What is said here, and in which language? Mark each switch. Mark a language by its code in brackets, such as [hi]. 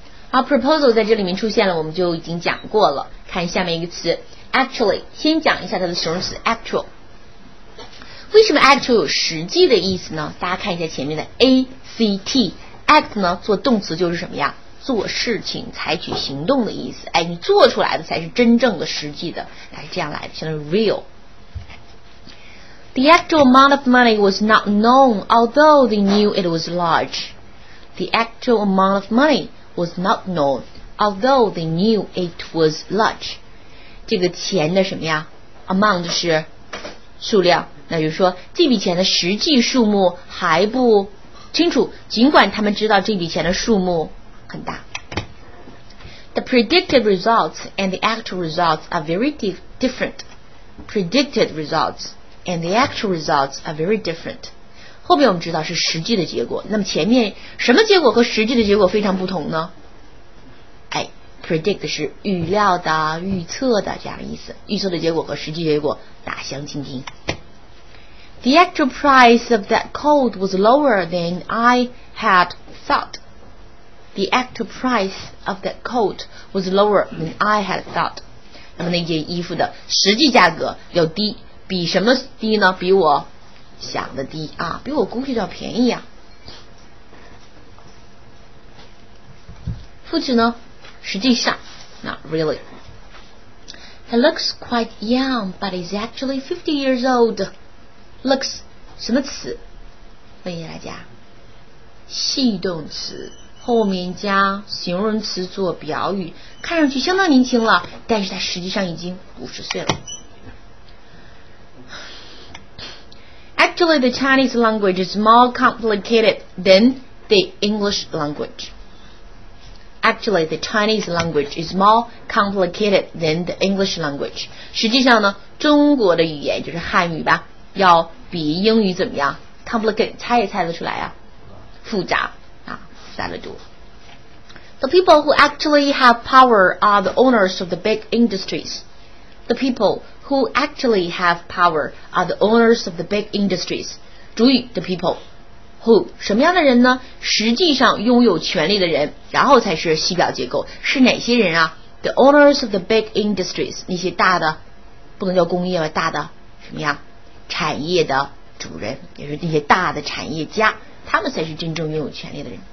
[zh] 好， proposal 在这里面出现了，我们就已经讲过了。看下面一个词 actually， 先讲一下它的形容词 actual。为什么 actual 有实际的意思呢？大家看一下前面的 act， act 呢做动词就是什么呀，做事情采取行动的意思，哎，你做出来的才是真正的实际的，哎，这样来的，像是 real。 [en] The actual amount of money was not known although they knew it was large. The actual amount of moneywas not known, although they knew it was large. [zh] 这个钱的什么呀？ amount 是数量，那就是说这笔钱的实际数目还不清楚，尽管他们知道这笔钱的数目很大。 [en] The predicted results and the actual results are very different. Predicted results and the actual results are very different. [zh] 后面我们知道是实际的结果，那么前面什么结果和实际的结果非常不同呢？哎， predict 是预料的、预测的这样的意思，预测的结果和实际结果大相径庭。 [en] The actual price of that coat was lower than I had thought. The actual price of that coat was lower than I had thought. [zh] 那么那件衣服的实际价格要低，比什么低呢？比我想的低啊，比我估计的要便宜啊。副词呢，实际上 [en] not really。 He looks quite young but is actually 50 years old. [zh] Looks 什么词，问一下大家，系动词后面加形容词做表语，看上去相当年轻了，但是他实际上已经50岁了。 [en] Actually, the Chinese language is more complicated than the English language. Actually, the Chinese language is more complicated than the English language. [zh] 实际上呢，中国的语言就是汉语吧，要比英语怎么样？ Complicated， 猜也猜得出来啊，复杂啊，杂得多。 [en] The people who actually have power are the owners of the big industries. The people who actually have power are the owners of the big industries. [zh] 主语 [en] the people. Who, [zh] 什么样的人呢？实际上拥有权力的人，然后才是系表结构。是哪些人啊？ [en] The owners of the big industries. [zh] 那些大的，不能叫工业吧，大的什么样？产业的主人，也是那些大的产业家，他们才是真正拥有权力的人。